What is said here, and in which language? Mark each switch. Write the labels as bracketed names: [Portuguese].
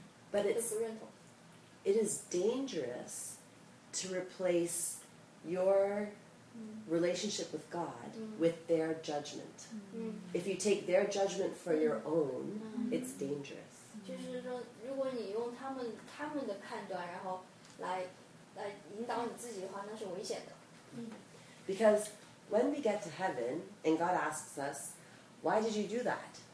[English] But it is dangerous to replace your relationship with God with their judgment. If you take their judgment for your own, it's dangerous. [Chinese] 就是说如果你用他们的判断然后来引导你自己的话那是危险的 [English] Because when we get to heaven and God asks us, why did you do that?